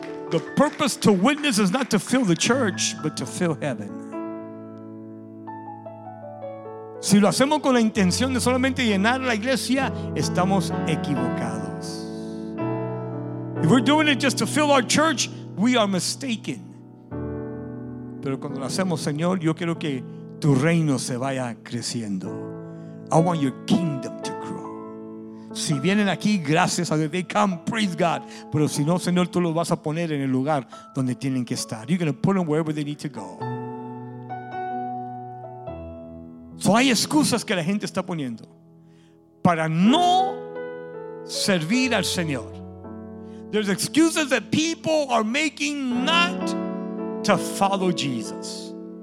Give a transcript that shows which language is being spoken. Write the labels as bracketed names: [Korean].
[English] The purpose to witness is not to fill the church, but to fill heaven. [Spanish] Si lo hacemos con la intención de solamente llenar la iglesia, estamos equivocados. [English] If we're doing it just to fill our church, we are mistaken. [Spanish] Pero cuando lo hacemos, Señor, yo quiero que tu reino se vaya creciendo. [English] I want your kingdom to grow. [Spanish] Si vienen aquí, gracias a Dios, [English] they come, praise God. [Spanish] Pero si no, Señor, tú los vas a poner en el lugar donde tienen que estar. [English] You're going to put them wherever they need to go. [Spanish] So hay excusas que la gente está poniendo para no servir al Señor. [English] There's excuses that people are making not to follow Jesus.